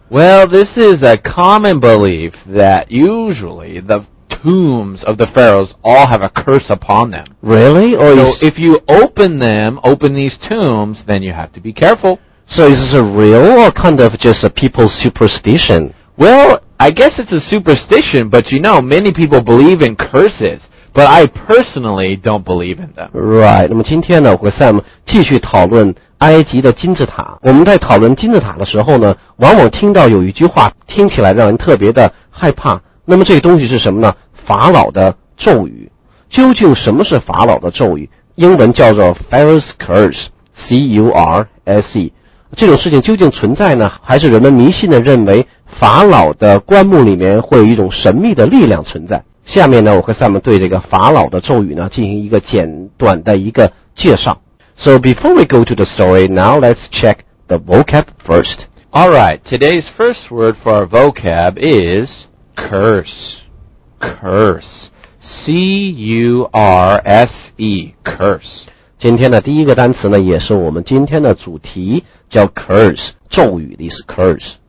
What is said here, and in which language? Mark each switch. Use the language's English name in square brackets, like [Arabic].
[English] Well, this is a common belief that usually the tombs of the pharaohs all have a curse upon them. Really? Or so if you open these tombs, then you have to be careful. So is this a real or kind of just a people's superstition? Well, I guess it's a superstition, but you know, many people believe in curses. But I personally don't believe in them. Right. [Chinese] 那么今天呢，我和 Sam 继续讨论埃及的金字塔。我们在讨论金字塔的时候呢，往往听到有一句话听起来让人特别的害怕。那么这个东西是什么呢？法老的咒语。究竟什么是法老的咒语？英文叫做 Pharaoh's Curse, C-U-R-S-E。这种事情究竟存在呢？还是人们迷信的认为法老的棺木里面会有一种神秘的力量存在？下面呢，我和 Sam 对这个法老的咒语呢进行一个简短的一个介绍。 [English] So before we go to the story, now let's check the vocab first. Alright, today's first word for our vocab is curse. Curse. C-U-R-S-E. Curse. [Chinese] 今天的第一个单词呢也是我们今天的主题，叫 curse, 咒语的意思 curse.